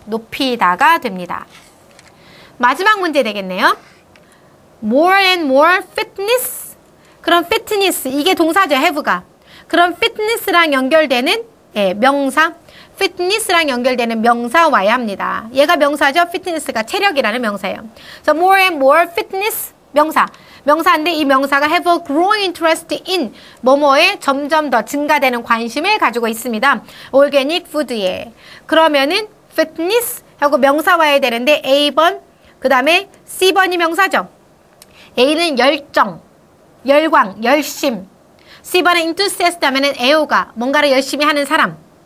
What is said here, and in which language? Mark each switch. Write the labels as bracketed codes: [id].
[ko] 높이다가 됩니다. 마지막 문제 되겠네요. [en] More and more fitness. [ko] 그럼 fitness 이게 동사죠. have가. 그럼 fitness랑 연결되는 명사. fitness랑 연결되는 명사와야 합니다. 얘가 명사죠. fitness가 체력이라는 명사예요. [en] So more and more fitness 명사. [ko] 명사인데 이 명사가 [en] have a growing interest in [ko] 뭐뭐에 점점 더 증가되는 관심을 가지고 있습니다. organic food에. 그러면은 fitness 하고 명사와야 되는데 A번, 그 다음에 C번이 명사죠. A는 열정, 열광, 열심. C번은 enthusiast 하면은 애호가, 뭔가를 열심히 하는 사람.